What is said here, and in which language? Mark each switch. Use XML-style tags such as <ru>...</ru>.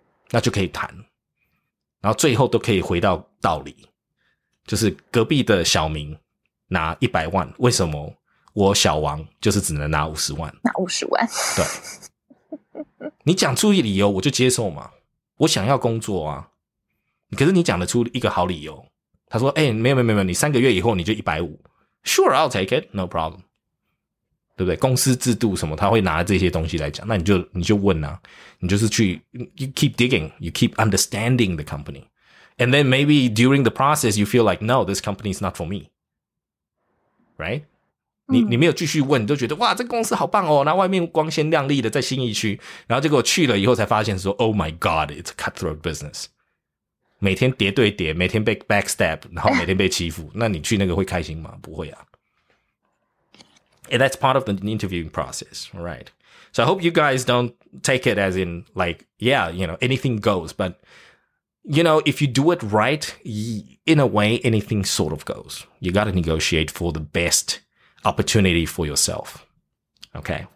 <zh>那就可以谈，然后最后都可以回到道理，就是隔壁的小明拿100万，为什么我小王就是只能拿50万？拿五十万，对，你讲出理由我就接受嘛，我想要工作啊，可是你讲得出一个好理由，他说，哎，没有，你三个月以后你就150 ，</zh> <en>Sure I'll take it, no problem。</en> <zh>对不对？公司制度什么，他会拿这些东西来讲，那你就问啊，你就是去 ，</zh> <en>you keep digging, you keep understanding the company, and then maybe during the process you feel like no, this company is not for me, right？</en> <zh>你没有继续问，你都觉得哇，这公司好棒哦，那外面光鲜亮丽的在新义区，然后结果去了以后才发现说 ，</zh> <en>Oh my God, it's a cutthroat business，</en> <zh>每天叠对叠，每天被 backstab， 然后每天被欺负，那你去那个会开心吗？不会啊。</zh> <en>And that's part of the interviewing process, right? So I hope you guys don't take it as in, like, yeah, you know, anything goes. But, you know, if you do it right, in a way, anything sort of goes. You got to negotiate for the best opportunity for yourself, okay?</en>